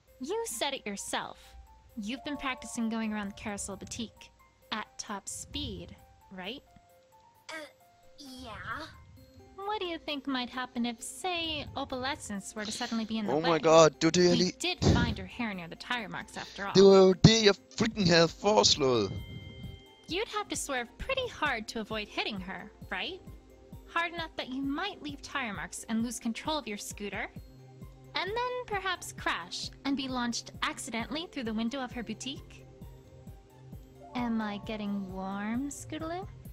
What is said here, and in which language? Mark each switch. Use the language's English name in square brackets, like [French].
[English] You said it yourself. You've been practicing going around the carousel boutique. At top speed, right? Yeah. What do you think might happen if, say, Opalescence were to suddenly be in the way? Oh my god, [Danish] du det lige... [English] We did find her hair near the tire marks after all. [Danish] Det var jo det, jeg freaking havde foreslået. [English] You'd have to swerve pretty hard to avoid hitting her, right? Hard enough that you might leave tire marks and lose control of your scooter. And then perhaps crash and be launched accidentally through the window of her boutique. Am I getting warm, Scootaloo?